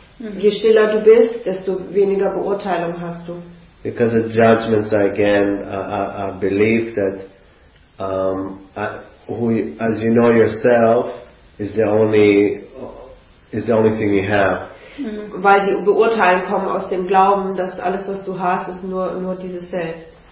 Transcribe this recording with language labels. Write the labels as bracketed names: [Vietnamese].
[German] Je stiller du bist, desto weniger Beurteilung hast du. [English] Because the judgments are again a belief that who, as you know yourself, is the only thing you have. [German] Weil die Beurteilung kommen aus dem Glauben, dass alles, was du hast, ist nur dieses Selbst.